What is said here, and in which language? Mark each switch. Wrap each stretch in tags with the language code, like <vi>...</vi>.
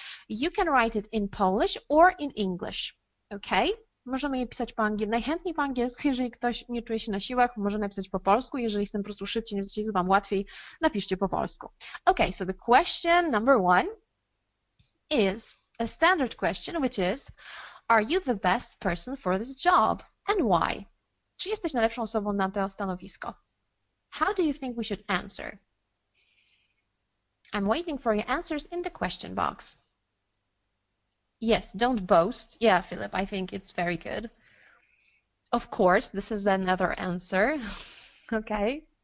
<en>You can write it in Polish or in English. OK?</en> <pl>Możemy je pisać po angielsku, najchętniej po angielsku, jeżeli ktoś nie czuje się na siłach, może napisać po polsku, jeżeli chcę po prostu szybciej, nie chcecie, wam łatwiej, napiszcie po polsku.</pl> <en>OK, so the question number one is a standard question, which is, are you the best person for this job and why?</en> <pl>Czy jesteś najlepszą osobą na to stanowisko?</pl> <en>How do you think we should answer? I'm waiting for your answers in the question box. Yes, don't boast. Yeah, Philip, I think it's very good. Of course, this is another answer. Okay.</en>